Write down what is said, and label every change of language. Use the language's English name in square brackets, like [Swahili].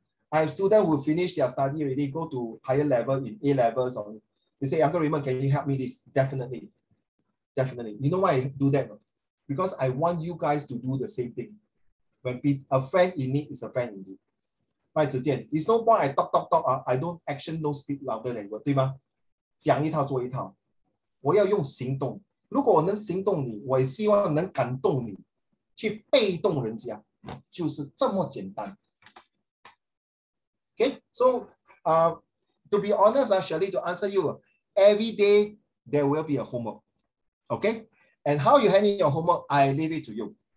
[English] I have students who finish their study already, go to higher level in A levels, or they say, Uncle Raymond, can you help me this? Definitely. Definitely. You know why I do that? Because I want you guys to do the same thing. When a friend in need is a friend in need. Right, Zijian? It's no point I talk, I don't action, no speak louder than you, [Chinese] 对吗? 讲一套做一套.我要用行动. 如果我能行动你, 我也希望能感动你, 去被动人家, 就是这么简单. [English] Okay, so to be honest, Shirley, to answer you, every day there will be a homework. Okay? And how you handle your homework, I leave it to you.